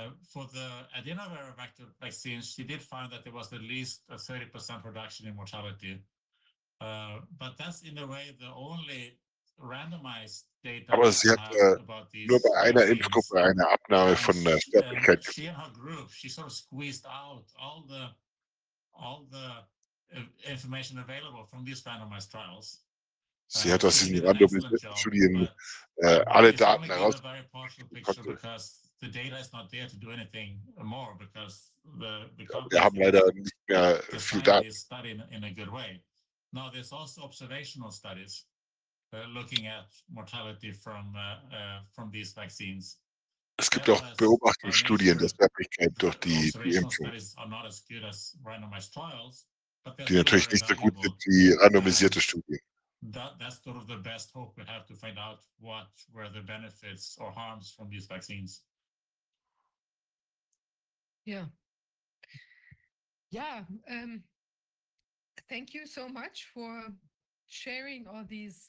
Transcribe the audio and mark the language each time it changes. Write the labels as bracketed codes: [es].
[en] For the adenovirus vector vaccine, she did find that there was at least a 30% reduction in mortality. But that's in a way the only randomized data. [de] Aber sie hat nur bei einer Impfgruppe eine Abnahme von Sterblichkeit. [en] She and her group, she sort of squeezed out all the information available from these randomized trials. [de] Sie hat aus diesen randomisierten Studien alle Daten heraus. Wir haben leider nicht mehr viel Daten. [en] No, there's also observational studies looking at mortality from these vaccines. [de] Es gibt auch Beobachtungsstudien der Sterblichkeit durch die Impfung, die natürlich nicht so gut sind wie randomisierte Studien. [en] That's sort of the best hope we have to find out what were the benefits or harms from these vaccines. Yeah. Yeah. Thank you so much for sharing all these